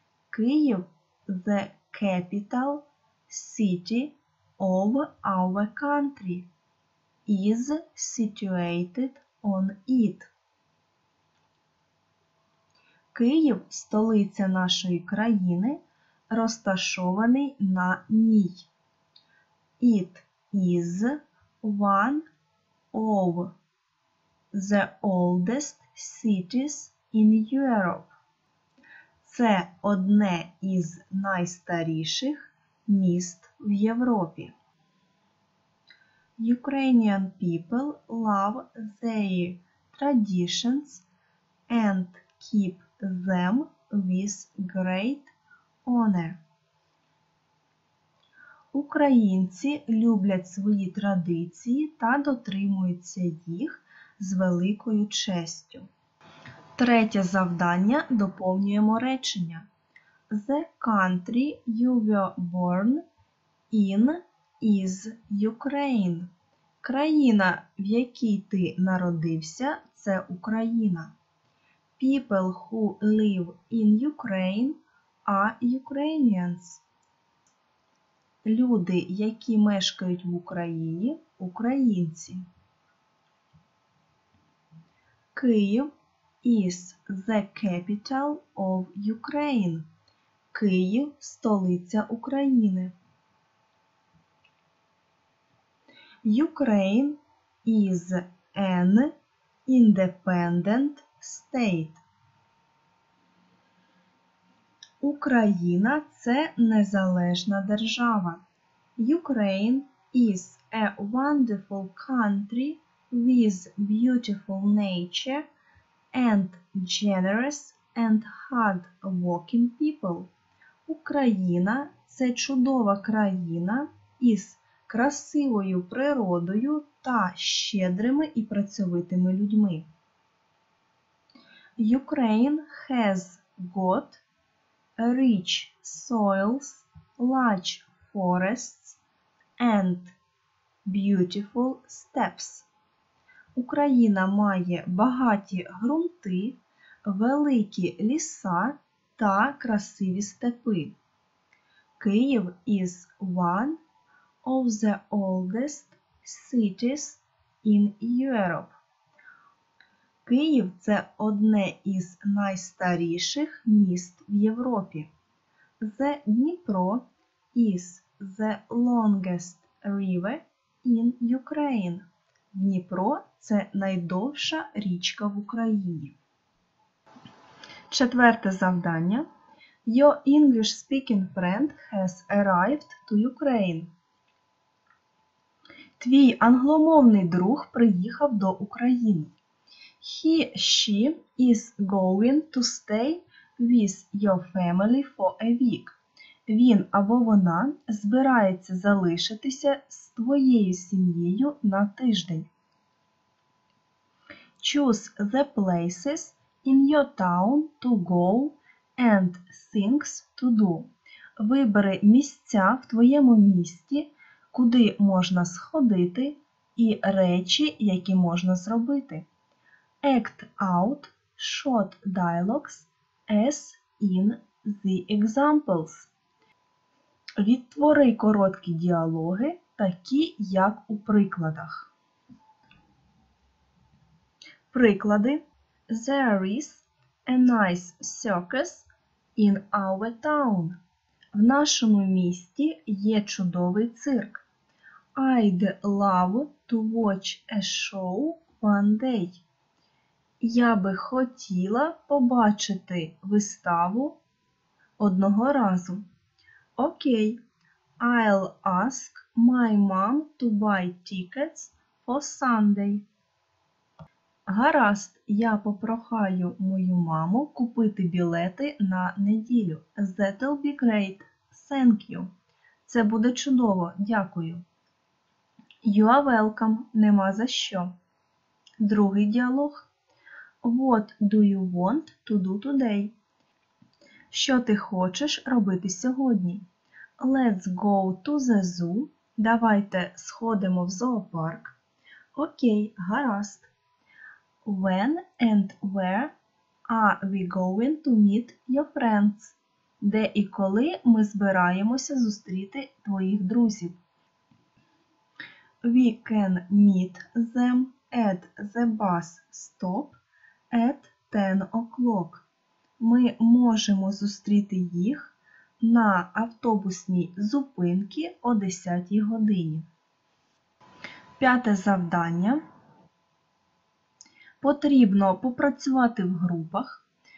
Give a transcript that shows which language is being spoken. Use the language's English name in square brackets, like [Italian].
[English] Київ – the capital city of our country, is situated on it. [Ukrainian] Київ – столиця нашої країни, розташований на ній. [English] It is one of the oldest cities in Europe. [Ukrainian] Це одне із найстаріших міст в Європі. [English] Ukrainian people love their traditions and keep them with great honor. [Ukrainian] Українці люблять свої традиції та дотримуються їх з великою честю. Третє завдання – доповнюємо речення. [English] The country you were born in is Ukraine. [Ukrainian] Країна, в якій ти народився – це Україна. [English] People who live in Ukraine are Ukrainians. [Ukrainian] Люди, які мешкають в Україні – українці. [English] Київ is the capital of Ukraine. [Ukrainian] Київ – столиця України. [English] Ukraine is an independent state. [Ukrainian] Україна – це незалежна держава. [English] Ukraine is a wonderful country with beautiful nature and generous and hard-working people. [Ukrainian] Україна – це чудова країна із красивою природою та щедрими і працьовитими людьми. [English] Ukraine has got rich soils, large forests and beautiful steppes. [Ukrainian] Україна має багаті ґрунти, великі ліса та красиві степи. [English] Київ is one of the oldest cities in Europe. [Ukrainian] Київ – це одне із найстаріших міст в Європі. [English] The Dnipro is the longest river in Ukraine. [Ukrainian] Дніпро – це найдовша річка в Україні. Четверте завдання. [English] Your English speaking friend has arrived to Ukraine. [Ukrainian] Твій англомовний друг приїхав до України. [English] He/she is going to stay with your family for a week. [Ukrainian] Він або вона збирається залишитися з твоєю сім'єю на тиждень. [English] Choose the places in your town to go and things to do. [Ukrainian] Вибери місця в твоєму місті, куди можна сходити і речі, які можна зробити. [English] Act out short dialogues as in the examples. [Ukrainian] Відтвори короткі діалоги, такі як у прикладах. Приклади. [English] There is a nice circus in our town. [Ukrainian] В нашому місті є чудовий цирк. [English] I'd love to watch a show one day. [Ukrainian] Я би хотіла побачити виставу одного разу. [English] Окей, okay. I'll ask my mom to buy tickets for Sunday. [Ukrainian] Гаразд, я попрохаю мою маму купити білети на неділю. [English] That'll be great. Thank you. [Ukrainian] Це буде чудово, дякую. [English] You are welcome. [Ukrainian] Нема за що. Другий діалог. [English] What do you want to do today? [Ukrainian] Що ти хочеш робити сьогодні? [English] Let's go to the zoo. [Ukrainian] Давайте сходимо в зоопарк. Окей, гаразд. [English] When and where are we going to meet your friends? [Ukrainian] Де і коли ми збираємося зустріти твоїх друзів? [English] We can meet them at the bus stop at 10 o'clock. [Ukrainian] Ми можемо зустріти їх на автобусній зупинці о 10 годині. П'яте завдання. Потрібно попрацювати в групах.